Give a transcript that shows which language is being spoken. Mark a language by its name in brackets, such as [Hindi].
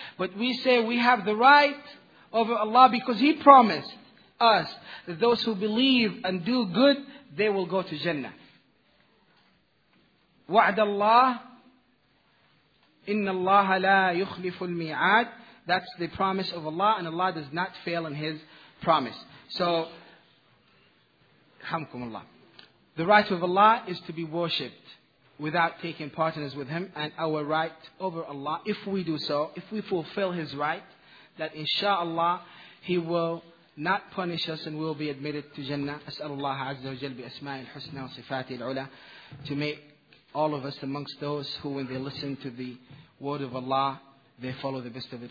[English] But we say we have the right over Allah because He promised us that those who believe and do good, they will go to Jannah. [Arabic] وَعْدَ اللَّهِ إِنَّ اللَّهَ لَا يُخْلِفُ الْمِيعَادِ. [English] That's the promise of Allah, and Allah does not fail in His promise. So, [Arabic] حَمْكُمْ اللَّهِ. [English] The right of Allah is to be worshipped without taking partners with Him, and our right over Allah, if we do so, if we fulfill His right, that inshallah He will not punish us and we will be admitted to Jannah. [Arabic] As'alullah Azza wa Jal bi asma'il husna wa sifati al-ula [English] to make all of us amongst those who, when they listen to the word of Allah, they follow the best of it.